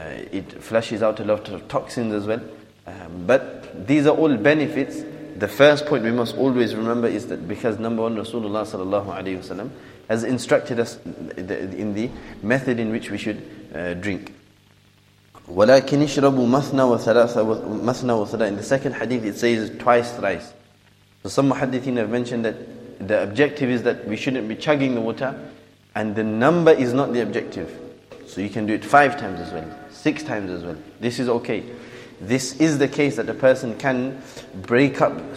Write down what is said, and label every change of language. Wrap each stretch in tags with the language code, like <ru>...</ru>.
<en>It flushes out a lot of toxins as well. But these are all benefits. The first point we must always remember is that because number one, Rasulullah sallallahu alayhi wa sallam has instructed us in the method in which we should drink.</en> <ar>ولكن اشربوا مثنى وثلاثة مثنى وثلاثة.</ar> <en>In the second hadith it says twice thrice. So some muhaddithin have mentioned that the objective is that we shouldn't be chugging the water, and the number is not the objective. So you can do it five times as well, six times as well. This is okay. This is the case that a person can break up.</en>